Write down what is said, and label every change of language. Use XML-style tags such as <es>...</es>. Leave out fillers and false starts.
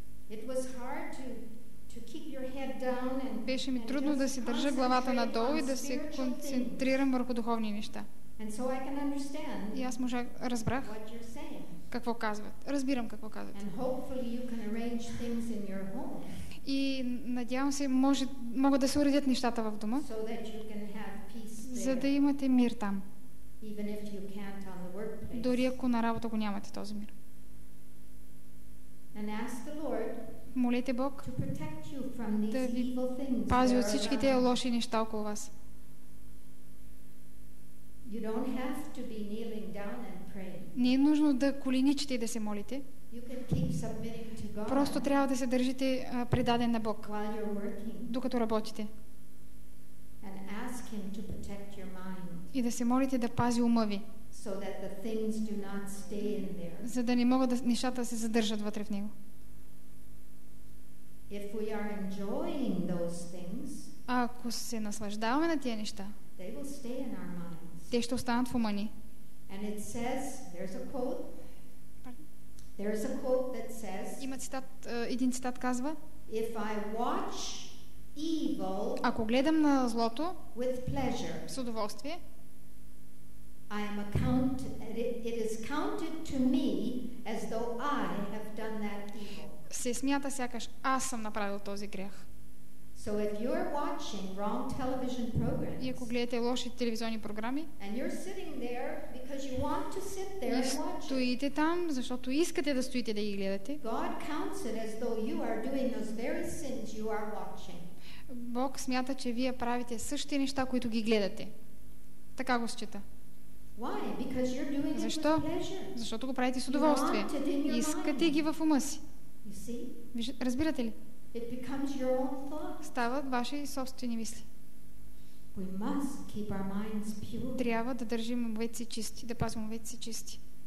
<en>It was hard to keep your head down and</en> <bg>беше ми трудно да се държа главата надолу и да се концентрирам върху духовни неща.</bg> <en>And so I can understand.</en> <bg>И аз разбрах какво казват. Разбирам какво казват.</bg> <en>And hopefully you can arrange things in your home.</en> <bg>И надявам се, могат да се уредят нещата в дома,</bg> <en>so that you can have peace there.</en> <bg>За да имате мир там.</bg> <en>Even if you can't on the workplace.</en> <bg>Дори ако на работа го нямате този мир.</bg> <en>And ask the Lord,</en> <bg>молете Бог</bg> <en>to protect you from these</en> <bg>да ви</bg> <en>evil things</en> <bg>пази от всички тези лоши неща около вас.</bg> <en>You don't have to be kneeling down and praying.</en> <bg>Не е нужно да коленичите и да се молите.</bg> <en>You can keep submitting to God.</en> <bg>Просто трябва да се държите предаден на Бог</bg> <en>while you're working,</en> <bg>докато работите.</bg> <en>And ask him to protect your mind.</en> <bg>И да се молите да пази ума ви.</bg> <en>So that the things do not stay in there.</en> <bg>За да не могат нещата да се задържат вътре в него.</bg> <en>If we are enjoying those things,</en> <bg>ако се наслаждаваме на тия неща,</bg> <en>they will stay in our minds.</en> <bg>Те ще останат в ума ни.</bg> <en>And it says, there's a quote. Pardon? There's a quote that says,</en> <bg>има цитат, един цитат казва,</bg> <en>if I watch evil,</en> <bg>ако гледам на злото</bg> <en>with pleasure,</en> <bg>с удоволствие,</bg> <en>I am accounted, it is counted to me as though I have done that evil.</en> <bg>Се смята сякаш аз съм направил този грех.</bg> <en>So if you're watching wrong television programs,</en> <bg>и ако гледате лоши телевизионни програми,</bg> <en>and you're sitting there because you want to sit there and watch,</en> <bg>стоите там, защото искате да стоите да ги гледате.</bg> <en>God counts it as though you are doing those very sins you are watching.</en> <bg>Бог смята, че вие правите същите неща, които ги гледате. Така го счита.</bg> <en>Why? Because you're doing it with pleasure.</en> <bg>Защото го правите с удоволствие. Искате ги в ума си.</bg> <en>You see?</en> <bg>Разбирате ли?</bg> <en>It becomes your own thought.</en> <bg>Стават ваши собствени мисли.</bg> <en>We must keep our minds pure.</en> <bg>Трябва да държим умовете си чисти, да пазим умовете си чисти.</bg>